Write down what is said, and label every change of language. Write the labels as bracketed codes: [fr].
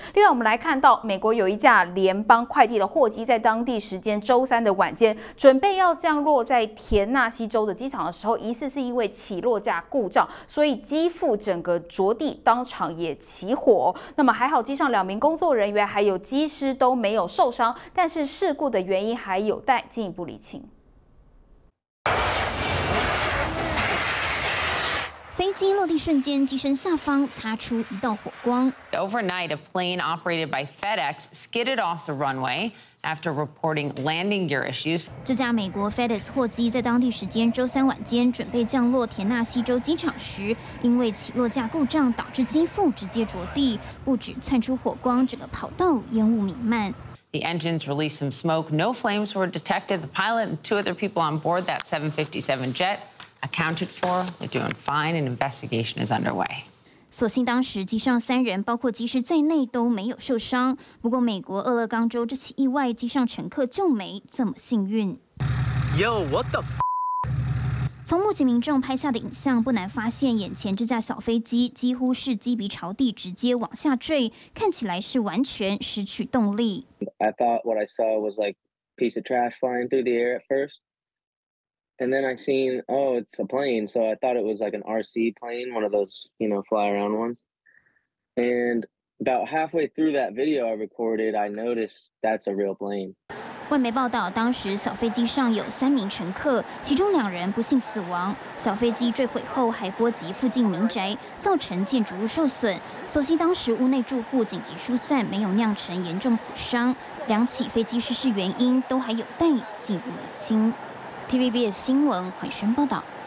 [zh] 另外，我们来看到美国有一架联邦快递的货机，在当地时间周3的晚间准备要降落在田纳西州的机场的时候，疑似是因为起落架故障，所以机腹整个着地，当场也起火。那么还好，机上2名工作人员还有机师都没有受伤，但是事故的原因还有待进一步厘清。飞机落地瞬间，机身下方擦出一道火光。 [en] Overnight, a plane operated by FedEx skidded off the runway. After reporting landing gear issues, [zh] 这架美国 FedEx 货机在当地时间周3晚间准备降落田纳西州机场时，因为起落架故障导致机腹直接着地，不止窜出火光，整个跑道烟雾弥漫。 [en] The engines released some smoke. No flames were detected. The pilot and two other people on board that 757 jet accounted for. They're doing fine. An investigation is underway. [zh] 所幸当时机上3人，包括机师在内，都没有受伤。不过，美国俄勒冈州这起意外，机上乘客就没这么幸运。 [en] Yo, what the？ [zh] 从目击民众拍下的影像，不难发现，眼前这架小飞机几乎是机鼻朝地，直接往下坠，看起来是完全失去动力。 [en] I thought what I saw was like a piece of trash flying through the air at first, and then I seen, oh, it's a plane. So I thought it was like an RC plane, one of those, you know, fly around ones. And about halfway through that video I recorded, I noticed that's a real plane. [zh] 外媒报道，当时小飞机上有3名乘客，其中2人不幸死亡。小飞机坠毁后还波及附近民宅，造成建筑物受损。所幸当时屋内住户紧急疏散，没有酿成严重死伤。 2起飞机失事原因都还有待进一步厘清。TVBS 新闻，欢迎报道。